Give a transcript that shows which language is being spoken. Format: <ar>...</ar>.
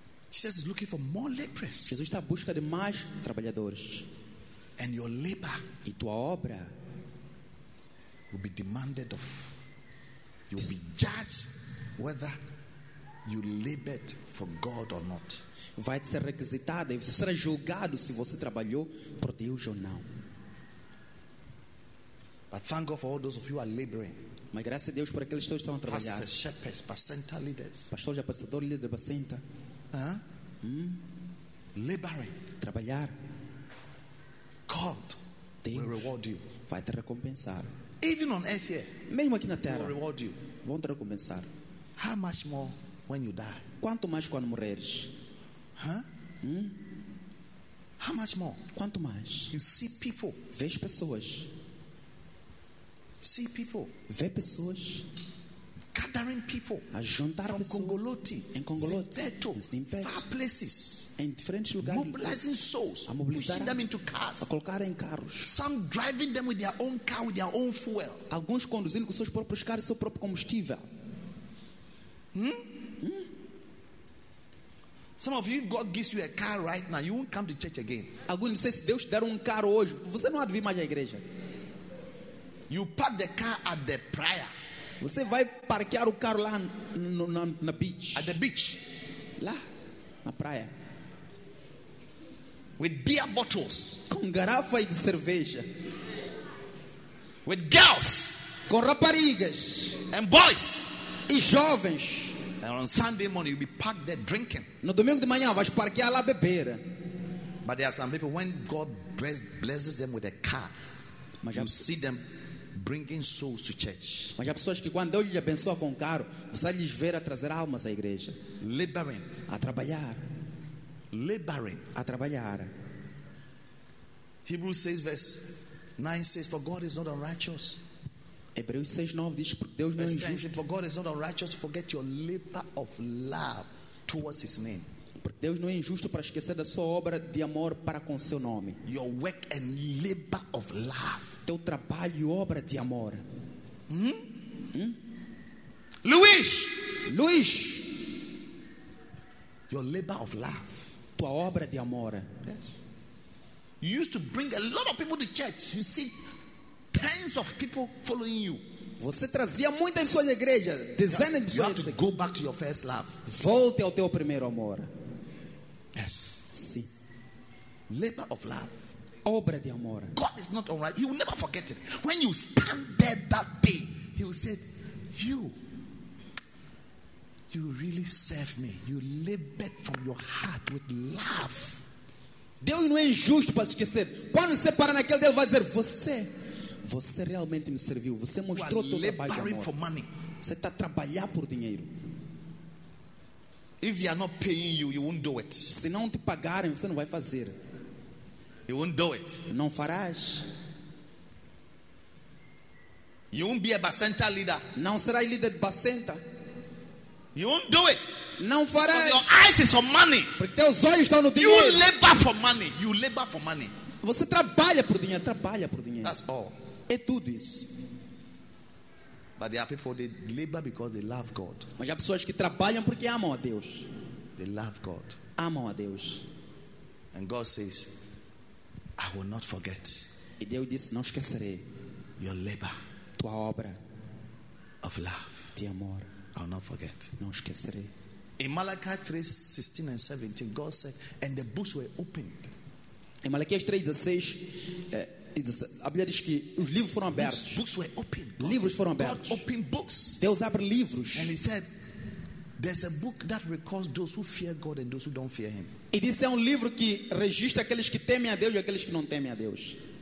<en>Jesus is looking for more laborers.</en> <pt>Jesus está à busca de mais trabalhadores.</pt> <en>And your labor,</en> <pt>e tua obra,</pt> <en>will be demanded of. You will be judged whether you labored for God or not.</en> <pt>Vai ser requisitada e será julgado se você trabalhou por Deus ou não.</pt> <en>I thank God for all those of you who are laboring.</en> <pt>Mas graças a Deus por aqueles que estão a trabalhar.</pt> <en>Pastors, shepherds, pastoral leaders.</en> <pt>Pastores, apacentadores, líderes de pastenta.</pt> <en>Laboring.</en> <pt>Trabalhar.</pt> <en>God</en> <pt>Deus</pt> <en>will reward you.</en> <pt>Vai te recompensar.</pt> <en>Even on earth here.</en> <pt>Mesmo aqui na terra.</pt> <en>Will reward you.</en> <pt>Vão te recompensar.</pt> <en>How much more when you die?</en> <pt>Quanto mais quando morreres?</pt> <en>How much more?</en> <pt>Quanto mais?</pt> <en>You see people.</en> <pt>Vês pessoas.</pt> <en>See people.</en> <pt>Vê pessoas.</pt> <en>Gathering people.</en> <pt>A juntar</pt> <en>from</en> <pt>pessoas.</pt> <en>Congoloti.</en> <pt>Em Congoloti.</pt> <en>Zimpeto.</en> <pt>Em Zimpeto.</pt> <en>Far places.</en> <pt>Em diferentes lugares.</pt> <en>Mobilizing souls.</en> <pt>A mobilizar.</pt> <en>Pushing them into cars.</en> <pt>A colocar em carros.</pt> <en>Some driving them with their own car, with their own fuel.</en> <pt>Alguns conduzindo com seus próprios carros e seu próprio combustível.</pt> <en>Some of you, if God gives you a car right now, you won't come to church again.</en> <pt>Alguns de vocês, se Deus der carro hoje, você não há de vir mais à igreja.</pt> <en>You park the car at the praia.</en> <pt>Você vai parquear o carro lá na beach.</pt> <en>At the beach.</en> <pt>Lá na praia.</pt> <en>With beer bottles.</en> <pt>Com garrafa de cerveja.</pt> <en>With girls.</en> <pt>Com raparigas.</pt> <en>And boys.</en> <pt>E jovens.</pt> <en>And on Sunday morning you'll be parked there drinking.</en> <pt>No domingo de manhã vais parquear lá beber.</pt> <en>But there are some people, when God blesses them with a car, you see them bringing souls to church.</en> <pt>Mas há pessoas que quando Deus lhe abençoa com um carro, você lhes vê a trazer almas à igreja.</pt> <en>Laboring.</en> <pt>A trabalhar.</pt> <en>Laboring.</en> <pt>A trabalhar.</pt> <en>Hebrews 6, verse 9 says, for God is not unrighteous.</en> <pt>Hebreus 6, 9 diz, porque Deus não é injusto.</pt> <en>For God is not unrighteous to forget your labor of love towards his name.</en> <pt>Porque Deus não é injusto para esquecer da sua obra de amor para com seu nome.</pt> <en>Your work and labor of love.</en> <pt>Teu trabalho e obra de amor.</pt> <en>Luiz. Your labor of love.</en> <pt>Tua obra de amor.</pt> <en>Yes. You used to bring a lot of people to church. You see tens of people following you.</en> <pt>Você trazia muita pessoa à igreja, dezenas de pessoas.</pt> <en>You have to go back to your first love.</en> <pt>Volte ao teu primeiro amor.</pt> <en>Yes.</en> <pt>Sim.</pt> <en>Labor of love.</en> <pt>Obra de amor.</pt> <en>God is not unright. He will never forget it. When you stand there that day, he will say, you really serve me. You labored from your heart with love.</en> <pt>Deus não é injusto para esquecer. Quando você para naquele dia, ele vai dizer, você realmente me serviu. Você mostrou todo o trabalho de amor. Você está trabalhando por dinheiro.</pt> <en>If they are not paying you, you won't do it.</en> <pt>Se não te pagarem, você não vai fazer.</pt> <en>You won't do it.</en> <pt>Não farás.</pt> <en>You won't be a Bacenta leader.</en> <pt>Não serás líder de Bacenta.</pt> <en>You won't do it.</en> <pt>Não farás.</pt> <en>Because your eyes is on money.</en> <pt>Porque teus olhos estão no dinheiro.</pt> <en>You labor for money. You labor for money.</en> <pt>Você trabalha por dinheiro. Trabalha por dinheiro.</pt> <en>That's all.</en> <pt>É tudo isso.</pt> <en>But there are people that labor because they love God.</en> <pt>Mas há pessoas que trabalham porque amam a Deus.</pt> <en>They love God.</en> <pt>Amam a Deus.</pt> <en>And God says, I will not forget.</en> <pt>E Deus disse, não esquecerei.</pt> <en>Your labor.</en> <pt>Tua obra.</pt> <en>Of love.</en> <pt>De amor.</pt> <en>I will not forget.</en> <pt>Não esquecerei.</pt> <en>In Malachi 3, 16 and 17, God said, and the books were opened.</en> <pt>Em Malaquias 3, 16, a Bíblia diz que os livros foram abertos.</pt> <en>Books were opened.</en> <pt>Livros foram abertos.</pt> <en>God opened books.</en> <pt>Deus abre livros.</pt> <en>And he said, there's a book that records those who fear God and those who don't fear him.</en> <pt>E diz, é um livro que registra aqueles que temem a Deus e aqueles que não temem a Deus.</pt>